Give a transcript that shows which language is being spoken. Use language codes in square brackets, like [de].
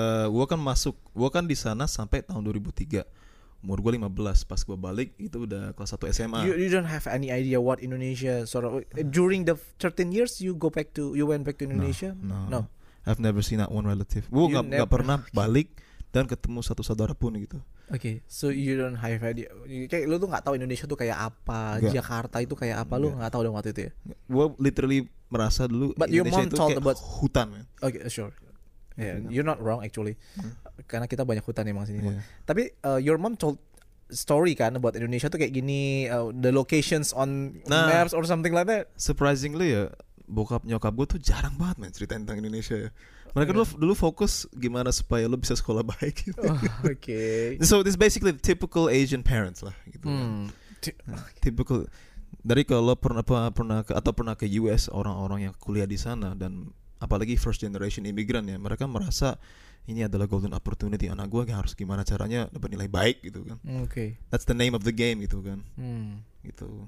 [id] Gue kan di sana sampai tahun 2003. Umur gue 15 pas gue balik itu udah kelas 1 SMA. [en] You don't have any idea what Indonesia sort of during the 13 years you went back to Indonesia? No. I've never seen that one relative. [id] Gue enggak pernah balik dan ketemu satu saudara pun gitu. [en] Okay, so you don't have idea. [id] Kayak lu tuh nggak tahu Indonesia tuh kayak apa, gak. Jakarta itu kayak apa, lu nggak tahu dong waktu itu ya. Gue literally merasa dulu [en] but [id] Indonesia itu kayak [en] about... [id] hutan. [en] Okay, sure. Yeah, you're not wrong actually. [id] Karena kita banyak hutan emang sini. [en] Yeah. [id] Tapi [en] your mom told story kan about Indonesia [id] tuh kayak gini, [en] the locations on maps or something like that. [id] Surprisingly ya, bokap nyokap gue tuh jarang banget main cerita tentang Indonesia ya. Mereka dulu fokus gimana supaya lo bisa sekolah baik. Gitu. Oh, oke. [en] Okay. So this basically typical Asian parents lah. [id] Gitu. Typical. Dari kalau pernah ke US orang-orang yang kuliah di sana dan apalagi first generation immigran ya mereka merasa ini adalah [en] golden opportunity [id] anak gue harus gimana caranya dapat nilai baik gitu kan. Oke. [en] Okay. That's the name of the game [id] gitu kan. Gitu.